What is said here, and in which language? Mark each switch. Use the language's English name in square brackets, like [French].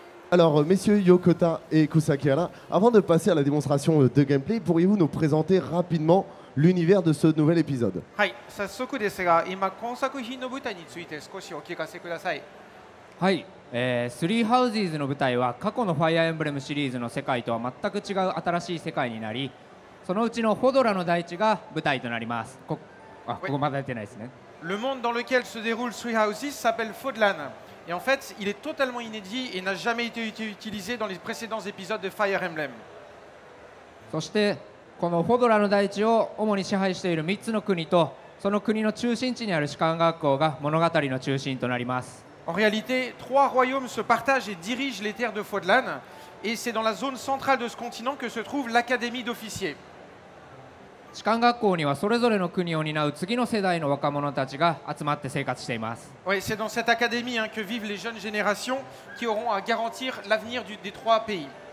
[French] Alors, messieurs Yokota et Kusakiana, avant de passer à la démonstration de gameplay, pourriez-vous nous présenter rapidement l'univers de ce nouvel épisode ? Oui, c'est ce que je veux dire. Je vais vous dire un peu de la situation. [Japanese] はい、Three Houses の舞台は過去のファイアーエンブレムシリーズの世界とは全く違う新しい世界になり、そのうちのホドラの大地が舞台となります。ここまだ出てないですね。 [French] Le monde dans lequel se déroule Three Houses s'appelle Fodlan. Et en fait, il est totalement inédit et n'a jamais été utilisé dans les précédents épisodes de Fire Emblem. [Japanese] そしてこのホドラの大地を主に支配している3つの国とその国の中心地にある士官学校が物語の中心となります。 [French] En réalité, trois royaumes se partagent et dirigent les terres de Fodlan, et c'est dans la zone centrale de ce continent que se trouve l'académie d'officiers. Oui, c'est dans cette académie hein, que vivent les jeunes générations qui auront à garantir l'avenir des trois pays.